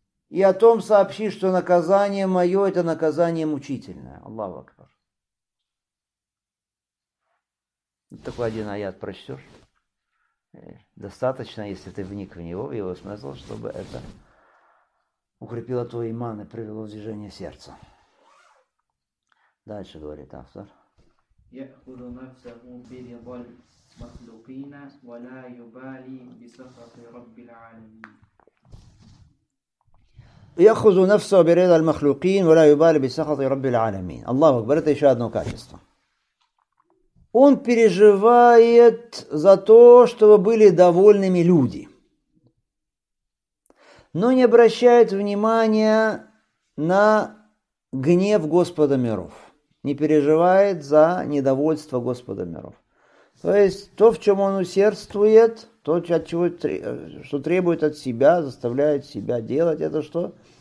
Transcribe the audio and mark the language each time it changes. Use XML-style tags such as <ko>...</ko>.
<ru>И о том сообщи, что наказание мое – это наказание мучительное. Аллаху Акбар. Такой один аят прочтешь. Достаточно, если ты вник в него, в его смысл, чтобы это укрепило твой иман и привело в движение сердца. Дальше говорит автор.</ru> <ar>يأخذ نفسه برضا المخلوقين ولا يبالي بسخط رب العالمين. يأخذ نفسه برضا المخلوقين ولا يبالي بسخط رب العالمين. الله أكبر.</ar> <ru>Это еще одно качество. Он переживает за то, чтобы были довольными люди, но не обращает внимания на гнев Господа миров. Не переживает за недовольство Господа миров. То есть то, в чем он усердствует, то, от чего, что требует от себя, заставляет себя делать, это что?</ru>